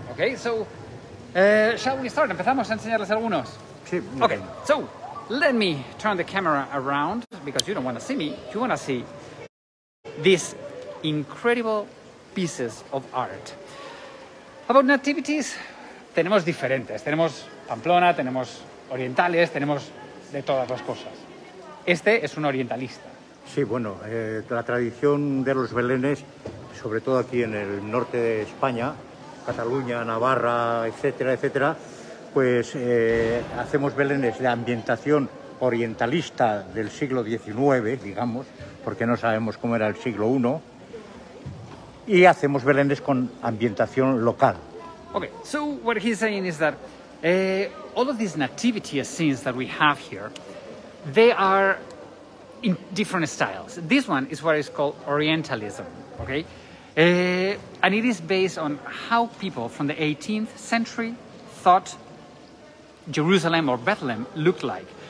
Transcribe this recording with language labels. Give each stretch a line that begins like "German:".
English: Okay, so shall we start?
Spanish: ¿Empezamos a enseñarles algunos? Sí.
English: Okay, so let me turn the camera around, because you don't want to see me. You want to see these incredible pieces of art. About nativities,
Spanish: tenemos diferentes. Tenemos Pamplona, tenemos orientales, tenemos de todas las cosas. Este es un orientalista. Sí, bueno, la tradición de los belenes, sobre todo aquí en el norte de España, Cataluña, Navarra, etcétera, etcétera, pues hacemos belenes de ambientación orientalista del siglo XIX, digamos, porque no sabemos cómo era el siglo I, y hacemos belenes con ambientación local.
English: Okay, so what he's saying is that all of these nativity scenes that we have here, they are in different styles. This one is what is called orientalism, okay? And it is based on how people from the 18th century thought Jerusalem or Bethlehem looked like.